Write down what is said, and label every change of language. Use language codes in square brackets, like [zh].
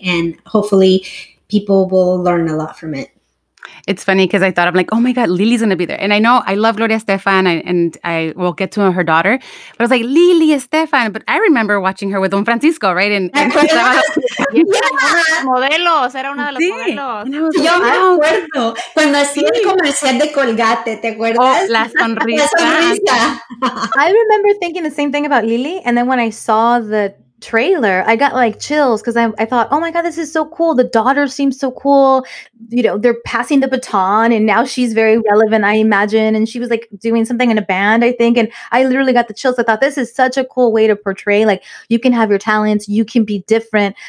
[en] And hopefully people will learn a lot from it. It's funny because I thought, I'm like, oh my God, Lily's going to be there. And I know I love Gloria Estefan, and I will get to know her daughter. But I was like, Lily Estefan. But I remember watching her with Don Francisco, right? And I was like, [es] modelos, era una de las modelos. Yo me acuerdo cuando hacía el comercial de Colgate, ¿te acuerdas? Oh, la sonrisa. [en] I remember thinking the same thing about Lily. And then when I saw the trailer, I got like chills because I thought, oh my God, this is so cool. The daughter seems so cool. You know, they're passing the baton and now she's very relevant, I imagine. And she was like doing something in a band, I think. And I literally got the chills. I thought this is such a cool way to portray, like, you can have your talents, you can be different.